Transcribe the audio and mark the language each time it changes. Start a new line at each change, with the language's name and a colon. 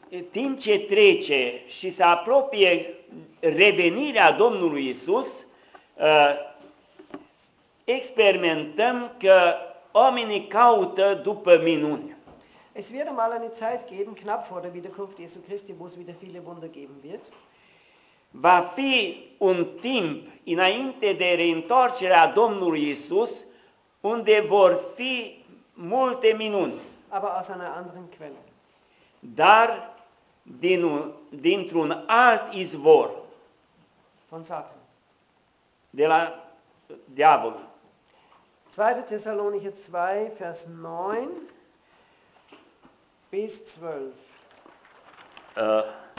Romanian: Timp ce trece și se apropie revenirea Domnului Iisus, experimentăm că oamenii caută după minuni.
German: Es wird einmal eine Zeit geben, knapp vor der Wiederkunft Jesu Christi, wo es wieder viele Wunder geben wird.
Romanian: Va fi un timp înainte de reîntoarcerea Domnului Iisus unde vor fi multe minuni.
German: Aber aus einer anderen Quelle.
Romanian: Dar dintr-un alt izvor.
German: Von Satan.
Romanian: De la diavol.
German: 2 Thessalonicher 2, Vers 9 bis 12.